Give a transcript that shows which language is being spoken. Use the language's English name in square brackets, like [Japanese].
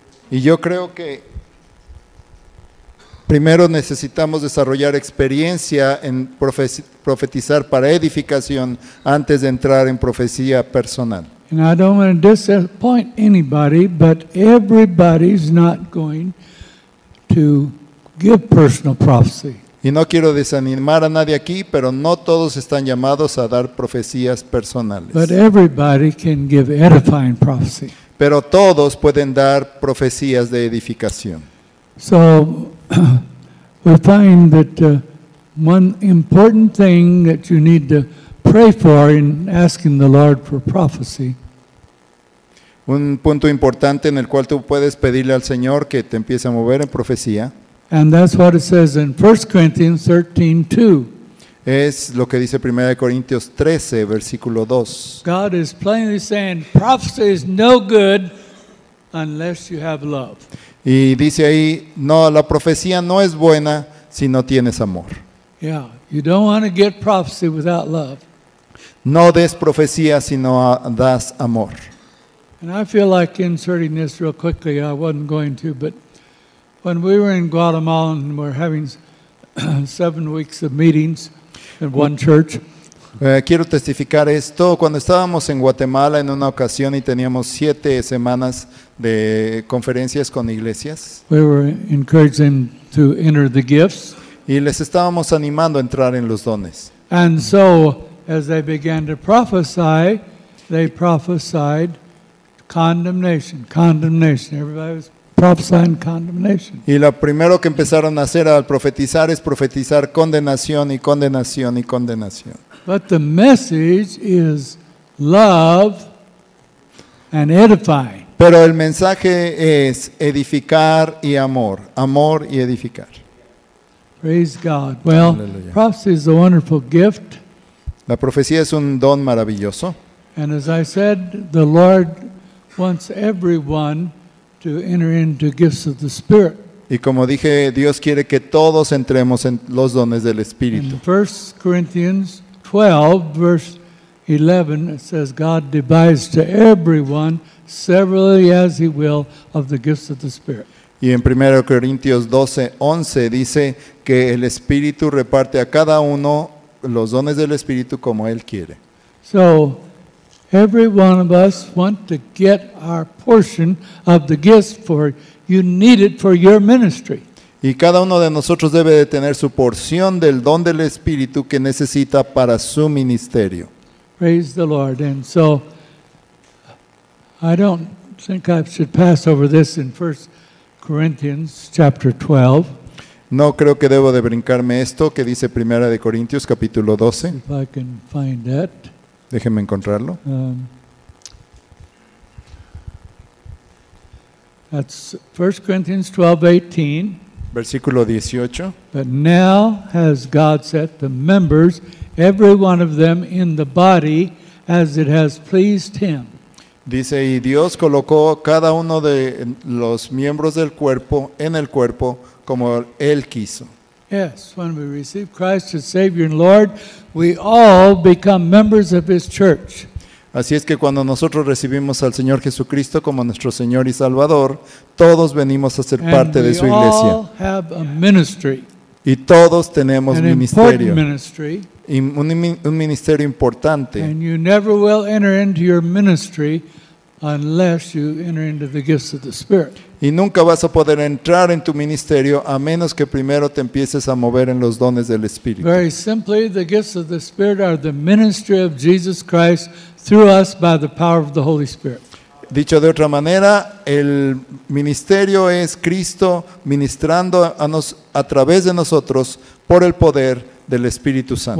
[Spanish] Y yo creo que primero necesitamos desarrollar experiencia en profetizar para edificación antes de entrar en profecía personal. [English] And I don't want to disappoint anybody, but everybody's not going to give personal prophecy. [Spanish] Y no quiero desanimar a nadie aquí, pero no todos están llamados a dar profecías personales. [English] But everybody can give edifying prophecy. [Spanish] Pero todos pueden dar profecías de edificación. [English] So we find that one important thing that you need to pray for in asking the Lord for prophecy. [Spanish] Un punto importante en el cual tú puedes pedirle al Señor que te empiece a mover en profecía. [English] And that's what it says in 1 Corinthians 13, 2. [Spanish] Es lo que dice 1 Corintios 13, versículo 2. [English] God is plainly saying, prophecy is no good unless you have love. [Spanish] Y dice ahí, no, la profecía no es buena si no tienes amor. [English] Yeah, you don't want to get prophecy without love. [Spanish] No des profecía si no das amor. [English] And I feel like inserting this real quickly, I wasn't going to, but when we were in Guatemala and we're having 7 weeks of meetings in one church. [Spanish] Quiero testificar esto. Cuando estábamos en Guatemala en una ocasión y teníamos 7 semanas de conferencias con iglesias. [English] We were encouraging to enter the gifts. [Spanish] Y les estábamos animando a entrar en los dones. [English] And so, as they began to prophesy, they prophesied condemnation. Condemnation. Everybody was prophesying condemnation. [Spanish] Y lo primero que empezaron a hacer al profetizar es profetizar condenación y condenación y condenación. [English] But the message is love and edifying. [Spanish] Pero el mensaje es edificar y amor, amor y edificar. [English] Praise God. Well, Hallelujah. Prophecy is a wonderful gift. [Spanish] La profecía es un don maravilloso. [English] And as I said, the Lord wants everyone to enter into gifts of the Spirit. [Spanish] Y como dije, Dios quiere que todos entremos en los dones del Espíritu. [English] In 1 Corinthians 12, verse 11, it says, God divides to everyone severally as he will of the gifts of the Spirit. [Spanish] Y en 1 Corintios 12, 11, dice que el Espíritu reparte a cada uno los dones del Espíritu como él quiere. [English] So, every one of us want to get our portion of the gifts for you need it for your ministry. [Spanish] Y cada uno de nosotros debe de tener su porción del don del Espíritu que necesita para su ministerio. [English] Praise the Lord. And so, I don't think I should pass over this in 1 Corinthians chapter 12. [Spanish] No creo que debo de brincarme esto que dice Primera de Corintios capítulo 12. [English] If I can find that. [Spanish] Déjenme encontrarlo. [English] That's 1 Corinthians 12:18. [Spanish] Versículo 18. [English] But now has God set the members, every one of them, in the body as it has pleased him. [Spanish] Dice, y Dios colocó cada uno de los miembros del cuerpo en el cuerpo como él quiso. [English] Yes, when we receive Christ as Savior and Lord, we all become members of His church. [Spanish] Así es que cuando nosotros recibimos al Señor Jesucristo como nuestro Señor y Salvador, todos venimos a ser parte de su iglesia. [English] And we all have a ministry. [Spanish] Y todos tenemos an ministerio. [English] Important ministry. [Spanish] Y un ministerio importante. [English] And you never will enter into your ministry unless you enter into the gifts of the Spirit. [Spanish] Y nunca vas a poder entrar en tu ministerio a menos que primero te empieces a mover en los dones del Espíritu. [English] Very simply, the gifts of the Spirit are the ministry of Jesus Christ through us by the power of the Holy Spirit. [Spanish] Dicho de otra manera, el ministerio es Cristo ministrando a través de nosotros por el poder del Espíritu Santo.